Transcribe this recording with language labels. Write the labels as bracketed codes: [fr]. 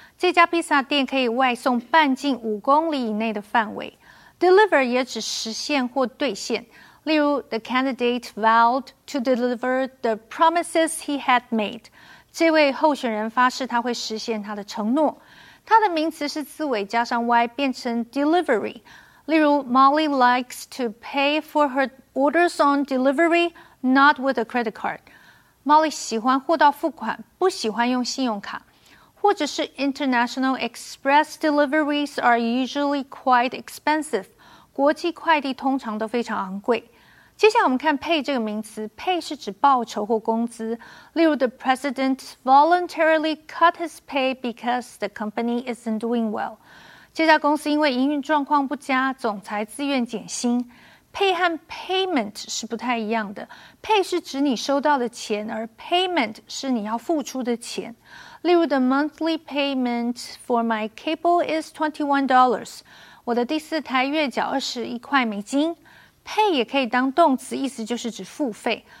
[zh] 这家披萨店可以外送半径5公里以内的范围。 Deliver 也指实现或兑现。例如 [en] the candidate vowed to deliver the promises he had made. [zh] 这位候选人发誓他会实现他的承诺。他的名词是字尾加上 y 变成 delivery。例如 [en] Molly likes to pay for her orders on delivery,Not with a credit card. [zh] Molly 喜欢货到付款，不喜欢用信用卡。或者是 [en] International Express deliveries are usually quite expensive. [zh] 国际快递通常都非常昂贵。接下来我们看 pay 这个名词， pay 是指报酬或工资。例如 [en] the president voluntarily cut his pay because the company isn't doing well. [zh] 这家公司因为营运状况不佳，总裁自愿减薪。 Pay 和 payment 是不太一样的。Pay 是指你收到的钱，而 payment 是你要付出的钱。例如 [en] the monthly payment for my cable is $21. [zh] 我的第四台月缴21块美金。Pay 也可以当动词，意思就是指付费。